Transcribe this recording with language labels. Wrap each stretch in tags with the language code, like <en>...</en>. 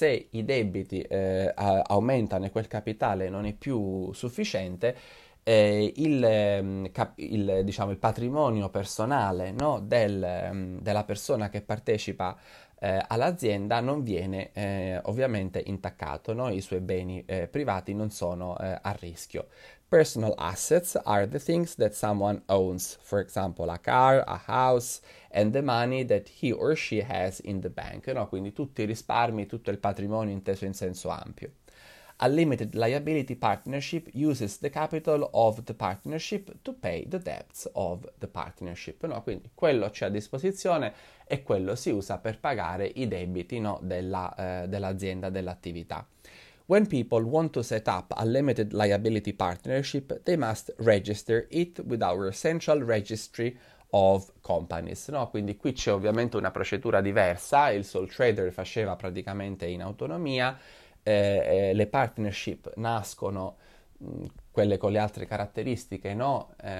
<it>Se i debiti aumentano e quel capitale non è più sufficiente, diciamo, il patrimonio personale, no, della persona che partecipa all'azienda non viene ovviamente intaccato, no? I suoi beni privati non sono a rischio.</it> <en>Personal assets are the things that someone owns, for example, a car, a house, and the money that he or she has in the bank, no?</en> <it>Quindi tutti i risparmi, tutto il patrimonio inteso in senso ampio.</it> <en>A limited liability partnership uses the capital of the partnership to pay the debts of the partnership. No?</en> <it>Quindi quello c'è a disposizione e quello si usa per pagare i debiti, no? Dell'azienda, dell'attività.</it> <en>When people want to set up a limited liability partnership, they must register it with our central registry of companies. No?</en> <it>Quindi qui c'è ovviamente una procedura diversa, il sole trader faceva praticamente in autonomia. Le partnership nascono, quelle con le altre caratteristiche, no?</it>